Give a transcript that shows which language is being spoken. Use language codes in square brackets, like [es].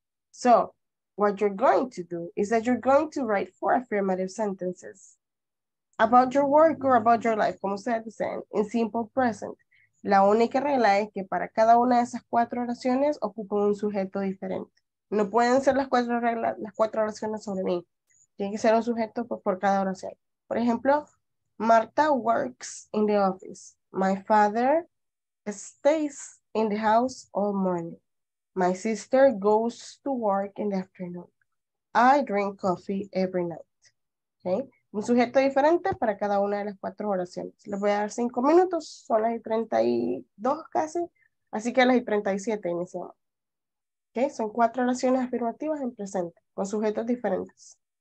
[en] So what you're going to do is that you're going to write four affirmative sentences about your work or about your life, [es] como ustedes dicen, [en] in simple present. [es] La única regla es que para cada una de esas cuatro oraciones ocupan un sujeto diferente. No pueden ser las cuatro oraciones sobre mí. Tiene que ser un sujeto por cada oración. Por ejemplo, [en] Marta works in the office. My father stays in the house all morning. My sister goes to work in the afternoon. I drink coffee every night. Okay? [es] Un sujeto diferente para cada una de las cuatro oraciones. Les voy a dar 5 minutos, son las 32 casi, así que las 37 iniciamos. Okay? Son 4 oraciones afirmativas en presente, con sujetos diferentes.